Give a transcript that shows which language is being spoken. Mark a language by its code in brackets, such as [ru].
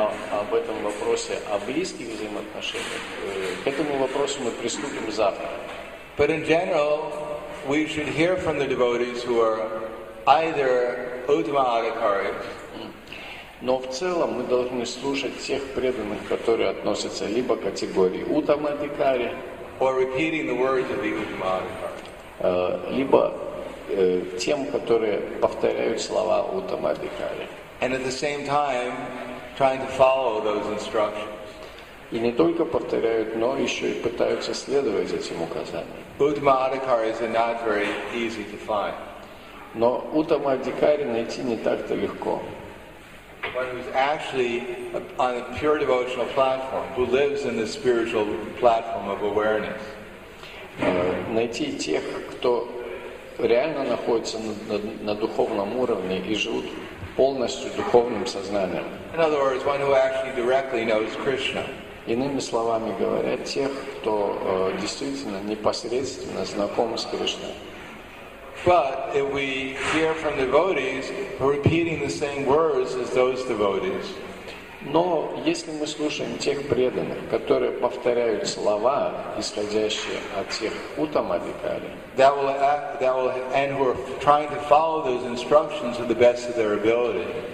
[ru] Об этом вопросе, о близких взаимоотношениях, к этому вопросу мы приступим завтра. [en] But in general, we should hear from the devotees who are either Uttama Adhikaris. [ru] Но в целом мы должны слушать тех преданных, которые относятся либо к категории Uttama Adhikari. [en] Or repeating the words of the Uttama [ru] Adhikari. Либо тем, которые повторяют слова Uttama Adhikari. [en] And at the same time, trying to follow those instructions. [ru] И не только повторяют, но еще и пытаются следовать этим указаниям. [en] Uttama Adhikaris are not very easy to find. [ru] Но Uttama Adhikari найти не так-то легко. [en] One who's actually on a pure devotional platform, who lives in the spiritual platform of awareness. [ru] Найти тех, кто реально находится на духовном уровне и живут полностью духовным сознанием. [en] In other words, one who actually directly knows Krishna. [ru] Иными словами говоря, тех, кто действительно непосредственно знаком с Кришной. [en] But if we hear from devotees repeating the same words as those devotees, [ru] но если мы слушаем тех преданных, которые повторяют слова, исходящие от тех утамадикари, [en] that will and who are trying to follow those instructions to the best of their ability,